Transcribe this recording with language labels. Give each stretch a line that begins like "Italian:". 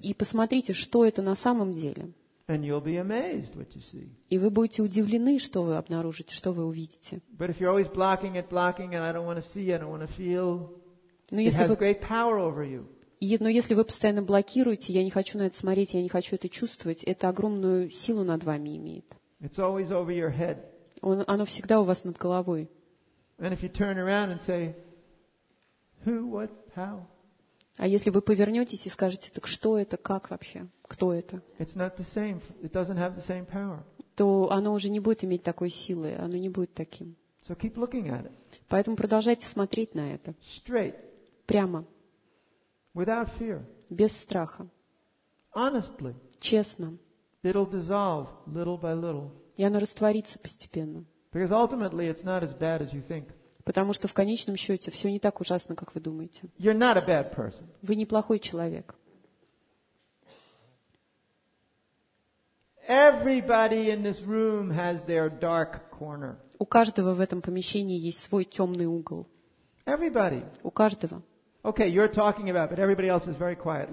Russian: и посмотрите, что это на самом деле.
English: And you'll be amazed what you see.
Russian: И вы будете удивлены, что вы обнаружите, что вы увидите.
English: But if you're always blocking it, blocking it, I don't want to see, I don't want to feel. It has great power over you.
Russian: Но если вы постоянно блокируете, я не хочу на это смотреть, я не хочу это чувствовать, это огромную силу над вами имеет.
English: It's always over your head.
Russian: Оно всегда у вас над головой.
English: And if you turn around and say, who, what, how?
Russian: А если вы повернетесь и скажете: так что это, как вообще, кто это?
English: It's not the same. It doesn't have the same power.
Russian: То оно уже не будет иметь такой силы, оно не будет таким.
English: So keep looking at it.
Russian: Поэтому продолжайте смотреть на это.
English: Straight.
Russian: Прямо.
English: Without fear.
Russian: Без страха.
English: Honestly.
Russian: Честно.
English: It'll dissolve little by little.
Russian: И оно растворится постепенно.
English: Because ultimately it's not as bad as you think.
Russian: Потому что в конечном счете все не так ужасно, как вы думаете.
English: You're not a bad person.
Russian: Вы неплохой человек.
English: Everybody in this room has their dark corner.
Russian: У каждого в этом помещении есть свой темный угол.
English: Everybody.
Russian: У каждого.
English: Okay, you're talking about, but everybody else is very quiet.